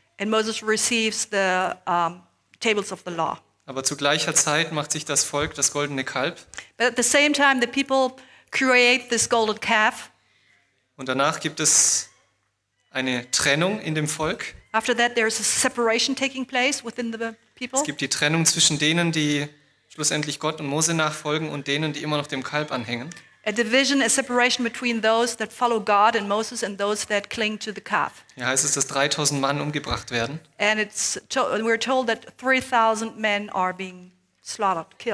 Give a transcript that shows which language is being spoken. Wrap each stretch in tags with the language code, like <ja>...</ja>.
<en>And Moses receives the tables of the law.</en> <de>Aber zu gleicher Zeit macht sich das Volk das goldene Kalb.</de> <en>But at the same time the people create this golden calf.</en> <de>Und danach gibt es eine Trennung in dem Volk.</de> <en>After that there is a separation taking place within the people.</en> <de>Es gibt die Trennung zwischen denen, die schlussendlich Gott und Mose nachfolgen, und denen, die immer noch dem Kalb anhängen.</de> <en>A division, a separation between those that follow God and Moses and those that cling to the calf.</en> <de>Hier heißt es, dass 3000 Mann umgebracht werden.</de> <en>And it's we're told that 3000 men are being slaughtered, killed.</en>